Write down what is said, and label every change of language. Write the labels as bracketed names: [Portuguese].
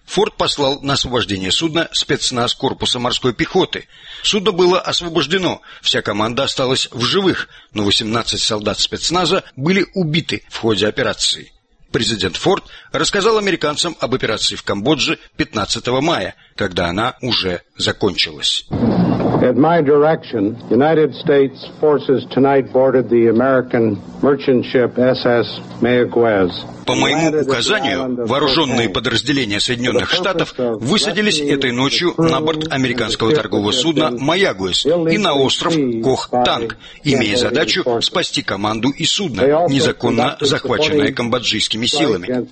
[Russian] Форд послал на освобождение судна спецназ корпуса морской пехоты. Судно было освобождено, вся команда осталась в живых, но 18 солдат спецназа были убиты в ходе операции. Президент Форд рассказал американцам об операции в Камбодже 15 мая, когда она уже закончилась. [English] At my direction, United States forces tonight boarded the American merchant ship SS Mayaguez. [Russian] По моему указанию, вооруженные подразделения Соединенных Штатов высадились этой ночью на борт американского торгового судна «Маягуэс» и на остров Кох-Танг, имея задачу спасти команду и судно, незаконно захваченное камбоджийскими силами.